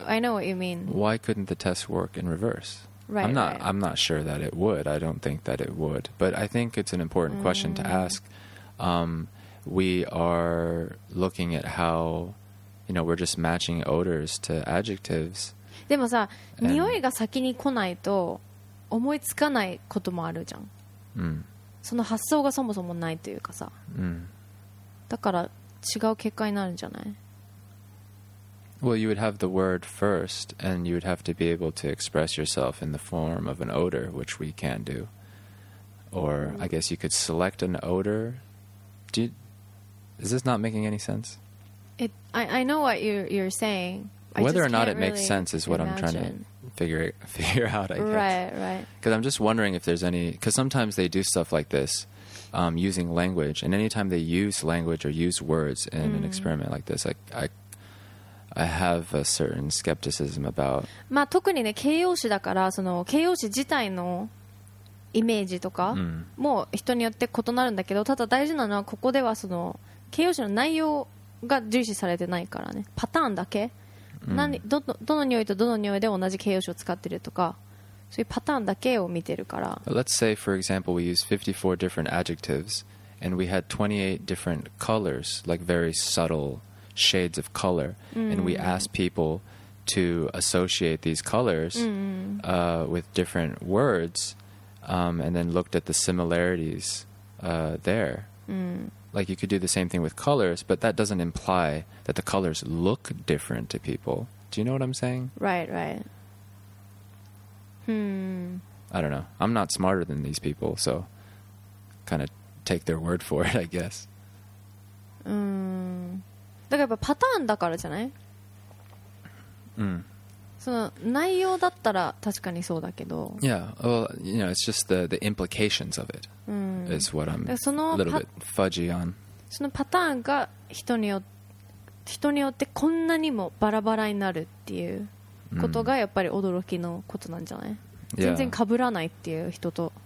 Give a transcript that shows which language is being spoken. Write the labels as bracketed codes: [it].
[en] I know what you mean. Why couldn't the test work in reverse? Right, I'm not, right. I'm not sure that it would. I don't think that it would. But I think it's an important question to ask. We are looking at how, you know, we're just matching odors to adjectives. [ja] でもさ、匂いが先に来ないと思いつかないこともあるじゃん。うん。その発想がそもそもないというかさ。うん。だから違う結果になるんじゃない? [en] Well, you would have the word first, and you would have to be able to express yourself in the form of an odor, which we can't do. Or, I guess you could select an odor. Is this not making any sense? I know what you're saying. Whether or not it makes sense is what I'm trying to figure out, I guess. Right, right. Because I'm just wondering if there's any... Because sometimes they do stuff like this using language. And anytime they use language or use words in an experiment like this, I have a certain skepticism about... [ja] まあ、特にね、形容詞だから、その形容詞自体のイメージとかも人によって異なるんだけど、ただ大事なのはここではその形容詞の内容が重視されてないからね。パターンだけ、どの匂いとどの匂いで同じ形容詞を使ってるとか、そういうパターンだけを見てるから。 [en] Let's say, for example, we use 54 different adjectives and we had 28 different colors, like very subtle shades of color, and we asked people to associate these colors with different words, and then looked at the similarities there. Like you could do the same thing with colors, but that doesn't imply that the colors look different to people. Do you know what I'm saying? Right, right. I don't know. I'm not smarter than these people, so kind of take their word for it, I guess. [ja] だからやっぱパターンだからじゃない？その内容だったら確かにそうだけど。 [en] Yeah, well, you know, it's just the implications of it is what I'm a little bit fudgy on. [ja] そのパターンが人によってこんなにもバラバラになるっていうことがやっぱり驚きのことなんじゃない？ [en] Yeah. [ja] 全然被らないっていう人と。